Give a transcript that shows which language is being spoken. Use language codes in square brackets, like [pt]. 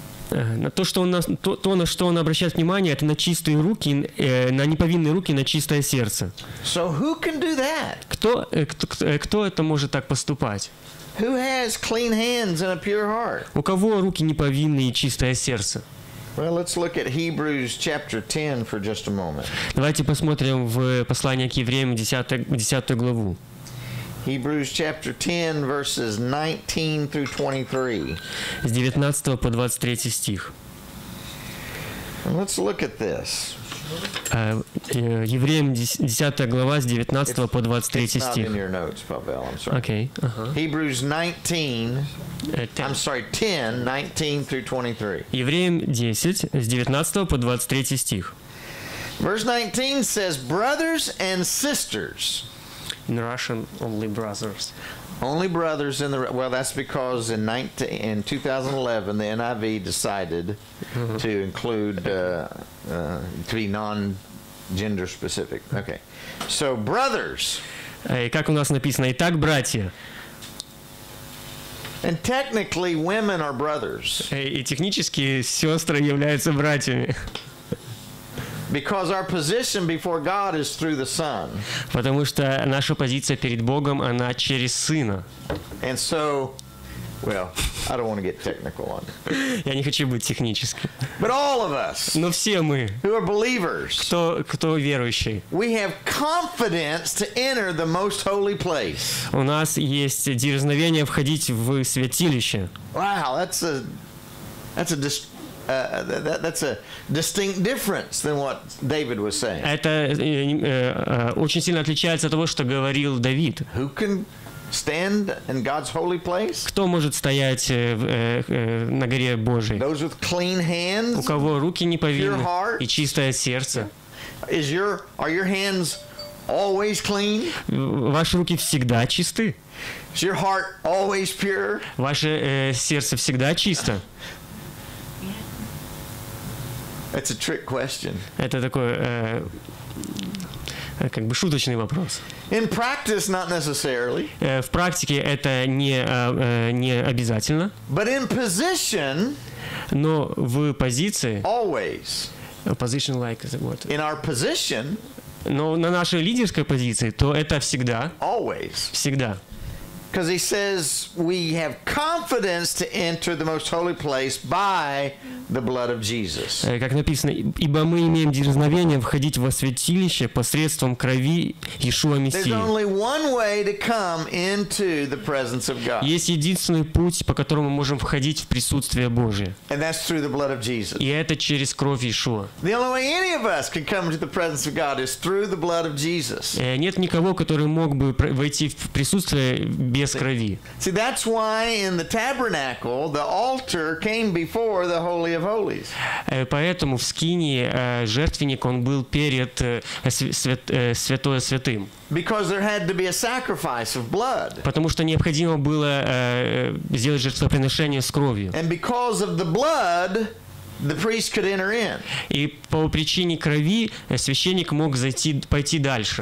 [ru] На что он обращает внимание, это на чистые руки, на неповинные руки, на чистое сердце. [en] So who can do that? [ru] Кто это может так поступать? [en] Who has clean hands and a pure heart? [ru] У кого руки неповинные и чистое сердце? [en] Well, let's look at Hebrews chapter 10 for just a moment. [ru] Давайте посмотрим в послание к евреям 10 главу. [en] Hebrews chapter 10 verses 19 through 23. [ru] С 19 по 23 стих. [en] Let's look at this. [ru] Евреям 10 глава с 19 по 23 стих. [en] It's not in your notes, Pavel. I'm sorry. Okay. Hebrews 10, 19 through 23. Евреям 10 с 19 по 23 стих. Verse 19 says, "Brothers and sisters." In Russian, only brothers. Only brothers in the... Well, that's because in 2011, the NIV decided to include, to be non-gender specific. Okay. So, brothers. [ru] Как у нас написано? Итак, братья. [en] And technically, women are brothers. [ru] И технически, сестры являются братьями. [en] Because our position before God is through the Son. [ru] Потому что наша позиция перед Богом, она через Сына. [en] And so, well, I don't want to get technical on. [ru] Я не хочу быть техническим. [en] But all of us. [ru] Но все мы. [en] Who are believers. [ru] Кто верующий. [en] We have confidence to enter the most holy place. [ru] У нас есть дерзновение входить в святилище. [en] Wow, that's a distinct difference than what David was saying. [ru] Это очень сильно отличается от того, что говорил Давид. [en] Who can stand in God's holy place? [ru] Кто может стоять на горе Божьей? [en] Those with clean hands. [ru] У кого руки неповинные и чистое сердце? [en] Are your hands always clean? [ru] Ваши руки всегда чисты? [en] Is your heart always pure? [ru] Ваше сердце всегда чисто? [en] It's a trick question. [ru] Это такой как бы шуточный вопрос. [en] In practice, not necessarily. [ru] В практике это не обязательно. [en] But in position. [ru] Но в позиции. [en] Always. Position like what? In our position. [ru] Но на нашей лидерской позиции то это всегда. [en] Always. [ru] Всегда. [en] Because he says we have confidence to enter the most holy place by the blood of Jesus. [ru] Как написано, ибо мы имеем дерзновение входить во святилище посредством крови Иешуа Мессии. [en] There's only one way to come into the presence of God. [ru] Есть единственный путь, по которому мы можем входить в присутствие Божие. [en] And that's through the blood of Jesus. [ru] И это через кровь Иешуа. [en] The only way any of us can come into the presence of God is through the blood of Jesus. [ru] Нет никого, который мог бы войти в присутствие без крови. [en] See, that's why in the tabernacle the altar came before the holy of holies. [ru] Поэтому в скинии жертвенник он был перед святое святым. [en] Because there had to be a sacrifice of blood. [ru] Потому что необходимо было сделать жертвоприношение с кровью. [en] And because of the blood, the priest could enter in. [ru] И по причине крови священник мог зайти, пойти дальше.